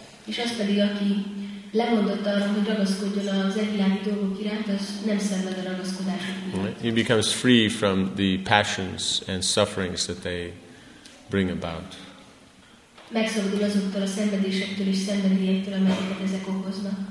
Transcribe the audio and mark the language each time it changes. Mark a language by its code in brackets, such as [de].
[hu] És azt pedig, aki lemondott arra, hogy ragaszkodjon az egyvilági dolgok iránt, az nem szenved a ragaszkodások iránt. [en] He becomes free from the passions and sufferings that they bring about. [hu] Megszabadul azoktól a szenvedésektől és szenvedélyektől, amelyeket ezek okoznak.